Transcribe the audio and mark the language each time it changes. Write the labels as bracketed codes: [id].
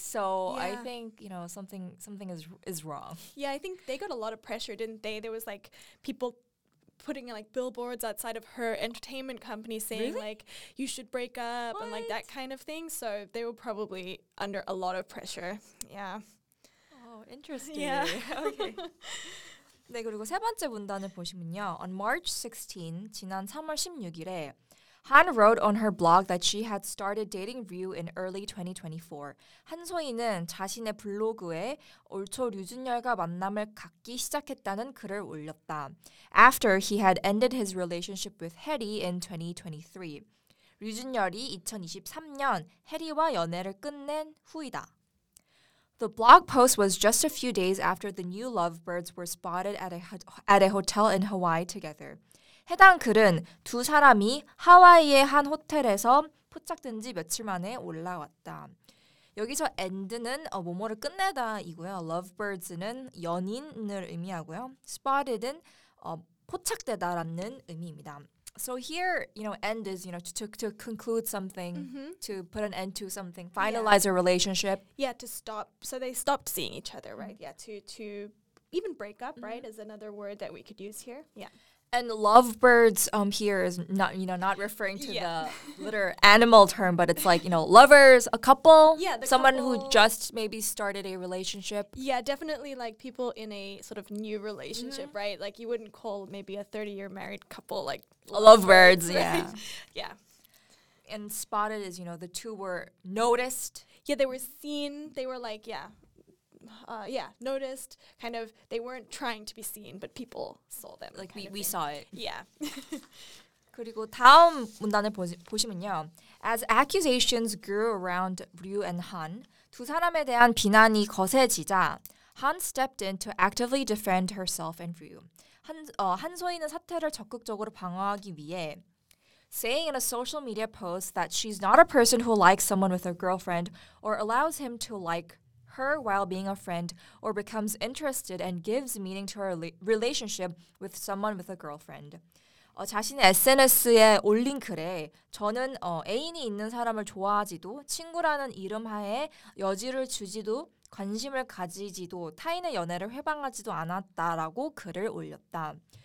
[en] So I think, you know, something is wrong. Yeah, I think they got a lot of pressure, didn't they? There was like people putting like billboards outside of her entertainment company saying like, you should break up and like that kind of thing. So they were probably under a lot of pressure. Yeah. Oh, interesting. Yeah. Okay. [ko] 네, 그리고 세 번째 문단을 보시면요. [en] On March 16, [ko] 지난 3월 16일에 [en] Han wrote on her blog that she had started dating Ryu in early 2024. [ko] 한소희는 자신의 블로그에 올 초 류준열과 만남을 갖기 시작했다는 글을 올렸다. [en] After he had ended his relationship with Haeri in 2023. [ko] 류준열이 2023년 해리와 연애를 끝낸 후이다. [en] The blog post was just a few days after the new lovebirds were spotted at a hotel in Hawaii together. [ko] 해당 글은 두 사람이 하와이의 한 호텔에서 포착된 지 며칠 만에 올라왔다. 여기서 end는 뭐뭐를 끝내다이고요. lovebirds는 연인을 의미하고요. spotted은 포착되다라는 의미입니다. [en] So here, you know, end is, you know, to conclude something, mm-hmm. to put an end to something, finalize a relationship. Yeah, to stop. So they stopped seeing each other, right? Mm-hmm. Yeah, to even break up, mm-hmm. right, is another word that we could use here. Yeah. And lovebirds here is not, you know, not referring to the literal animal term, but it's like, you know, lovers, a couple, someone couple who just maybe started a relationship. Yeah, definitely like people in a sort of new relationship, mm-hmm. right? Like you wouldn't call maybe a 30-year married couple like lovebirds, right? Yeah. Yeah. And spotted is, you know, the two were noticed. Yeah, they were seen. They were like, noticed, kind of, they weren't trying to be seen, but people saw them. Like, we saw it. Yeah. [ko] 그리고 다음 문단을 보시면요. [en] As accusations grew around Ryu and Han, [ko] 두 사람에 대한 비난이 거세지자, [en] Han stepped in to actively defend herself and Ryu. [ko] 한소희는 사태를 적극적으로 방어하기 위해 [en] saying in a social media post that she's not a person who likes someone with a girlfriend or allows him to like her while being a friend or becomes interested and gives meaning to her relationship with someone with a girlfriend. [ko] 자신의 SNS에 올린 글에 저는 애인이 있는 사람을 좋아하지도 친구라는 이름 하에 여지를 주지도 관심을 가지지도 타인의 연애를 회방하지도 않았다라고 글을 올렸다.